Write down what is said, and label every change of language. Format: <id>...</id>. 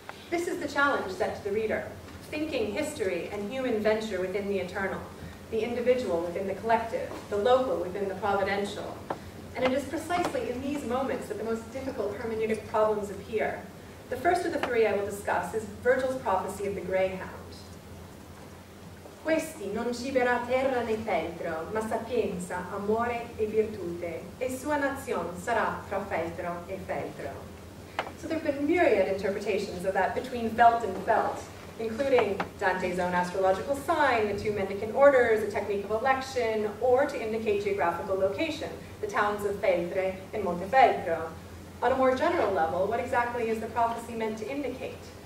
<en>This is the challenge set to the reader, thinking history and human venture within the eternal, the individual within the collective, the local within the providential. And it is precisely in these moments that the most difficult hermeneutic problems appear. The first of the three I will discuss is Virgil's prophecy of the greyhound.</en> <it>Questi non ciberà terra né feltro, ma sapienza, amore e virtute, e sua nazione sarà tra feltro e feltro.</it> <en>So there have been myriad interpretations of that between felt and felt, including Dante's own astrological sign, the two mendicant orders, a technique of election, or to indicate geographical location, the towns of Feltre and Montefeltro. On a more general level, what exactly is the prophecy meant to indicate?</en>